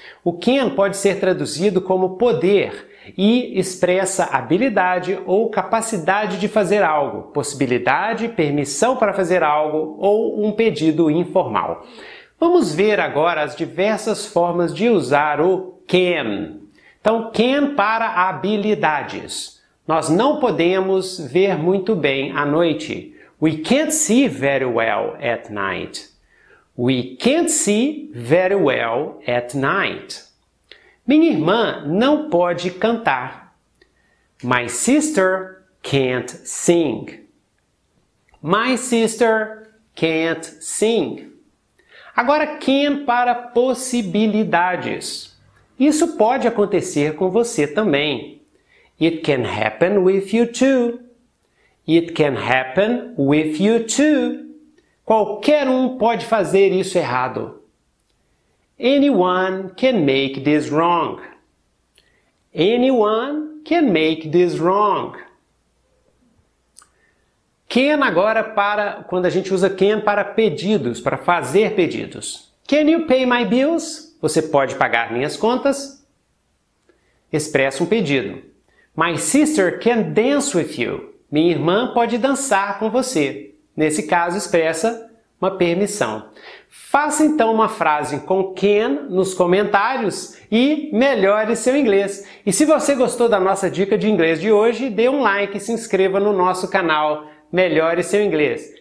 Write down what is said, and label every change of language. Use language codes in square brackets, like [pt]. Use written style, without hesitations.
[pt] O can pode ser traduzido como poder e expressa habilidade ou capacidade de fazer algo, possibilidade, permissão para fazer algo ou um pedido informal. Vamos ver agora as diversas formas de usar o can. Então, can para habilidades. Nós não podemos ver muito bem à noite. [en] We can't see very well at night. We can't see very well at night. [pt] Minha irmã não pode cantar. [en] My sister can't sing. My sister can't sing. [pt] Agora, can para possibilidades. Isso pode acontecer com você também. [en] It can happen with you too. It can happen with you too. [pt] Qualquer um pode fazer isso errado. [en] Anyone can make this wrong. Anyone can make this wrong. [pt] Can agora para, quando a gente usa can para pedidos, para fazer pedidos. [en] Can you pay my bills? [pt] Você pode pagar minhas contas? Expressa um pedido. [en] My sister can dance with you. [pt] Minha irmã pode dançar com você. Nesse caso, expressa uma permissão. Faça então uma frase com can nos comentários e melhore seu inglês. E se você gostou da nossa dica de inglês de hoje, dê um like e se inscreva no nosso canal Melhore Seu Inglês.